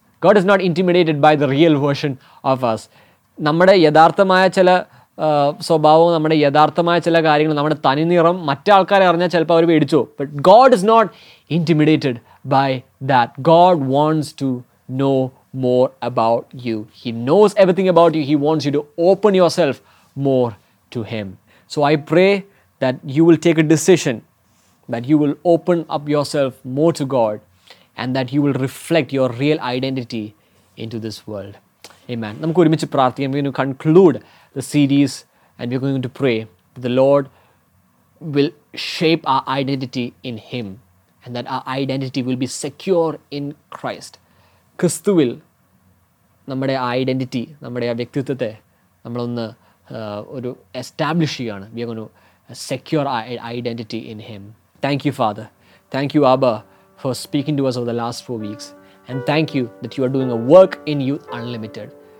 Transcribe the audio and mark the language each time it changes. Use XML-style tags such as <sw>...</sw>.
<en>God is not intimidated by the real version of us.</en> <ml>നമ്മുടെ യഥാർത്ഥമായ ചില സ്വഭാവവും നമ്മുടെ യഥാർത്ഥമായ ചില കാര്യങ്ങളും നമ്മുടെ തനിനിറം മറ്റേ ആൾക്കാരെ അറിഞ്ഞാൽ ചിലപ്പോൾ അവർ പേടിച്ചു.</ml> <en>But God is not intimidated by that. God wants to know more about you. He knows everything about you. He wants you to open yourself more to Him. So I pray that you will take a decision, that you will open up yourself more to God, and that you will reflect your real identity into this world. Amen.</en> <ml>നമുക്ക് ഒരുമിച്ച് പ്രാർത്ഥിക്കാം.</ml> <en>We're going to conclude the series and we're going to pray that the Lord will shape our identity in Him, and that our identity will be secure in Christ.</en> <ml>ക്രിസ്തുവിൽ നമ്മുടെ ആ identity, നമ്മുടെ ആ വ്യക്തിത്വത്തെ നമ്മളൊന്ന് ഒരു എസ്റ്റാബ്ലിഷ് ചെയ്യുകയാണ്.</ml> <en>We are going to secure a identity in him. Thank you father, thank you അബ്ബ for speaking to us over the last four weeks, and thank you that you are doing a work in Youth Unlimited.</en>